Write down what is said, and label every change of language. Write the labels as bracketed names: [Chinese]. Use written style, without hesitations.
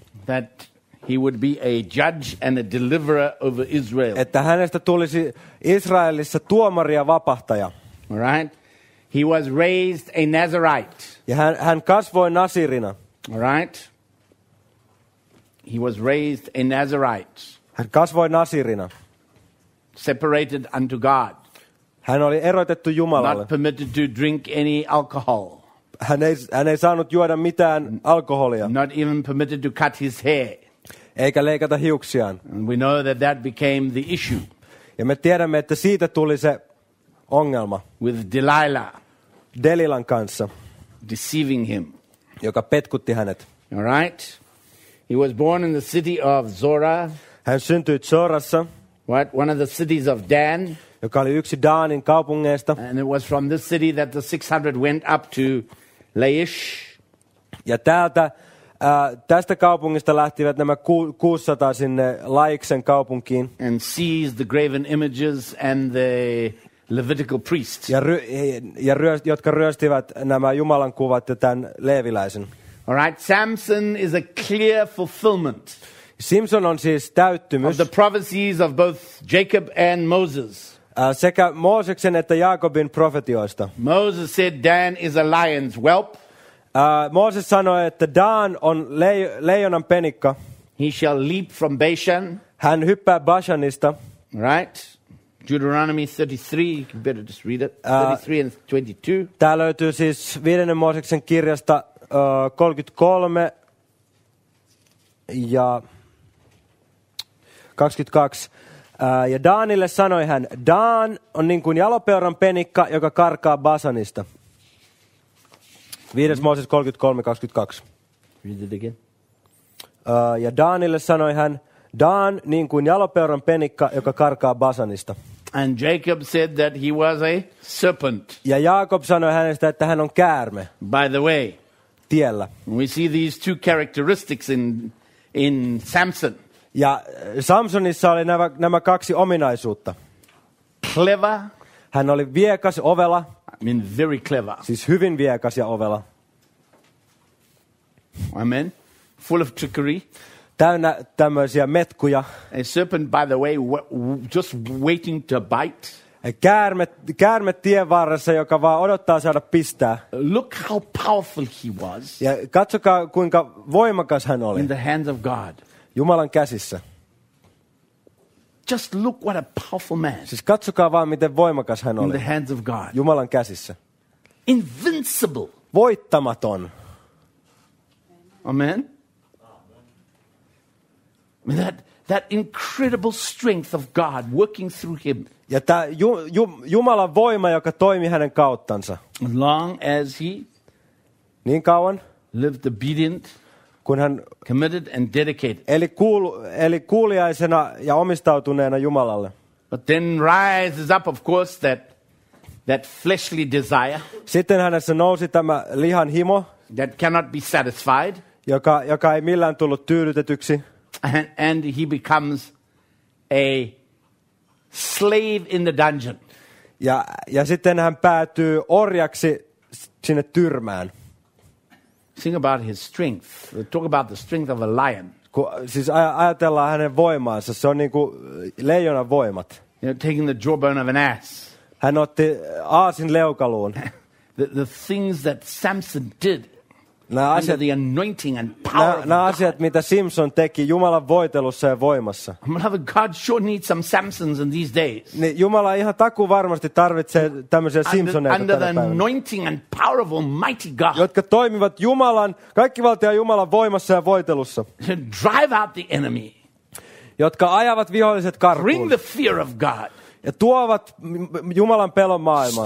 [English] That he would be a judge and a deliverer over Israel. [Finnish] Että hänestä tulisi Israelissa tuomari ja vapahtaja. [English] All right. He was raised a Nazarite. [Finnish] Ja hän kasvoi Nasirina. [English] All right. He was raised a Nazarite. [Finnish] Hän kasvoi Nasirina. [English] Separated unto God. [Finnish] Hän oli erotettu Jumalalle. [English] Not permitted to drink any alcohol. [Finnish] Hän ei saanut juoda mitään alkoholia. [English] Not even permitted to cut his hair. [Finnish] Eikä leikata hiuksiaan. [English] And we know that that became the issue. [Finnish] Ja me tiedämme, että siitä tuli se ongelma. [English] With Delilah. [Finnish] Delilan kanssa. [English] Deceiving him. [Finnish] Joka petkutti hänet. [English] All right. He was born in the city of Zora. [Finnish] Hän syntyi Zorassa. [English] What? One of the cities of Dan. [Finnish] Joka oli yksi Daanin kaupungeista. [English] And it was from this city that the 600 went up to Laish. [Finnish] Ja täältä, tästä kaupungista lähtivät nämä 600 sinne Laiksen kaupunkiin. [English] And seized the graven images and the Levitical priests. [Finnish] Jotka ryöstivät nämä Jumalan kuvat ja tämän leeviläisen. [English] All right, Samson is a clear fulfillment. [Finnish] Simpson on siis täyttymys. [English] Of the prophecies of both Jacob and Moses. [Finnish] Sekä Mooseksen että Jaakobin profetioista. [English] Moses said Dan is a lion's whelp. [Finnish] Mooses sanoi, että Dan on leijonan penikka. [English] He shall leap from Bashan. [Finnish] Hän hyppää Bashanista. [English] Right. Deuteronomy 33, you can better just read it. 33 and 22. [Finnish] Tää löytyy siis viidennen Mooseksen kirjasta 33 ja 22. Ja Daanille sanoi hän, Daan on niin kuin jalopeuran penikka, joka karkaa Basanista. 5. Mooses 33:22. [English] Read it again. [Finnish] Ja Daanille sanoi hän, Daan niin kuin jalopeuran penikka, joka karkaa Basanista. [English] And Jacob said that he was a serpent. [Finnish] Ja Jaakob sanoi hänestä, että hän on käärme. [English] By the way, [Finnish] tiellä. [English] We see these two characteristics in Samson. [Finnish] Ja Samsonissa oli nämä kaksi ominaisuutta. [English] Clever. [Finnish] Hän oli viekas, ovela. [English] I mean very clever. [Finnish] Siis hyvin viekas ja ovela. [English] Amen. Full of trickery. [Finnish] Täynnä tämmöisiä metkuja. [English] A serpent, by the way, just waiting to bite. [Finnish] Käärme tien varressa, joka vaan odottaa saada pistää. [English] Look how powerful he was. [Finnish] Ja katsokaa, kuinka voimakas hän oli. [English] In the hands of God. [Finnish] Jumalan käsissä. [English] Just look what a powerful man. [Finnish] Siis katsokaa vaan, miten voimakas hän oli. [English] In the hands of God. [Finnish] Jumalan käsissä. [English] Invincible. [Finnish] Voittamaton. [English] Amen. That incredible strength of God working through him. [Finnish] Ja tämä Jumalan voima, joka toimi hänen kauttansa. [English] Long as he [Finnish] niin kauan [English] lived obedient, [Finnish] kun hän [English] committed and dedicated. [Finnish] Eli kuuliaisena ja omistautuneena Jumalalle. [English] But then rises up, of course, that fleshly desire. [Finnish] Sitten hänessä nousi tämä lihan himo, [English] that cannot be satisfied. [Finnish] Joka ei millään tullut tyydytetyksi. [English] And he becomes a slave in the dungeon. [Finnish] Ja sitten hän päätyy orjaksi sinne tyrmään. [English] Think about his strength. Talk about the strength of a lion. [Finnish] Siis ajatellaan hänen voimaansa. Se on niin kuin leijonan voimat. [English] You know, taking the jawbone of an ass. [Finnish] Hän otti aasin leukaluun. [English] The things that Samson did. under the anointing and power of God. [Finnish] Nämä asiat, mitä Simpson teki Jumalan voitelussa ja voimassa. [English] God sure needs some Samsons in these days. [Finnish] Niin Jumala ihan taku varmasti tarvitsee tämmöisiä Simpsoneita tänä päivänä. [English] Under the anointing and power of Almighty God. [Finnish] Jotka toimivat Jumalan, kaikkivaltiaan Jumalan voimassa ja voitelussa. [English] Drive out the enemy. [Finnish] Jotka ajavat viholliset karkuun. [English] Bring the fear of God. [Finnish] Ja tuovat Jumalan pelon maailmaan.